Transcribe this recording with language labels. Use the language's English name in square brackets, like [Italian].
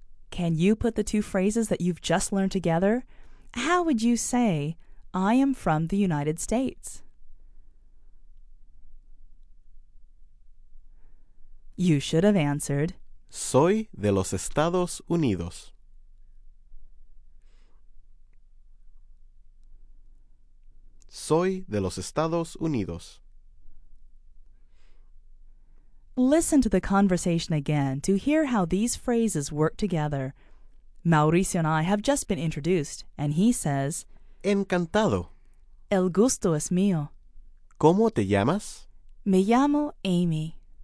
[English] Can you put the two phrases that you've just learned together? How would you say, I am from the United States? You should have answered, [Spanish] Soy de los Estados Unidos. Soy de los Estados Unidos. [English] Listen to the conversation again to hear how these phrases work together. Mauricio and I have just been introduced, and he says, [Spanish] Encantado. El gusto es mío. ¿Cómo te llamas? Me llamo Amy.